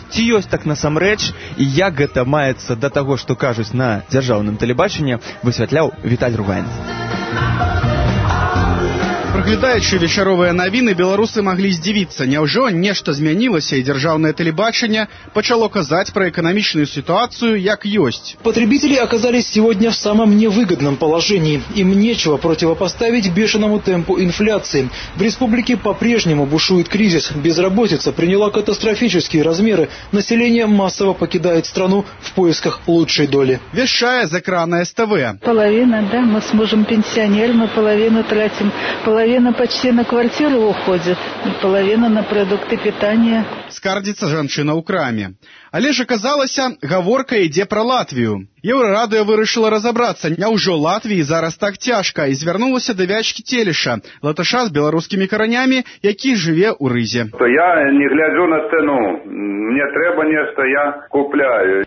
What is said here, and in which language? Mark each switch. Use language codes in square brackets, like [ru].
[be] Ці ёсць так насамрэч і як гэта маецца да таго, што кажуць на дзяржаўным тэлебачанні, высвятляў Віталь Руган. Праглядаючы вечаровыя навіны, беларусы маглі здзівіцца. Няўжо нешта змянілася і дзяржаўнае тэлебачанне пачало казаць пра эканамічную сітуацыю як ёсць. [ru] Потребители оказались сегодня в самом невыгодном положении. Им нечего противопоставить бешеному темпу инфляции. В республике по-прежнему бушует кризис. Безработица приняла катастрофические размеры. Население массово покидает страну в поисках лучшей доли. Вещая с экрана СТВ. Половина, да, мы с мужем пенсионер, мы половину тратим. Половина почти на квартиру уходит, половина на продукты питания. [be] Скардзіцца жанчына ў краме. Але ж аказалася, гаворка ідзе пра Латвію. Еўрарадыё вырашыла разабрацца, няўжо Латвіі зараз так цяжка, і звярнулася да Вячкі Телеша, латыша з беларускімі каранямі, які жыве ў Рызе. То я не гляджу на цэну, мне трэба нешта, я купляю.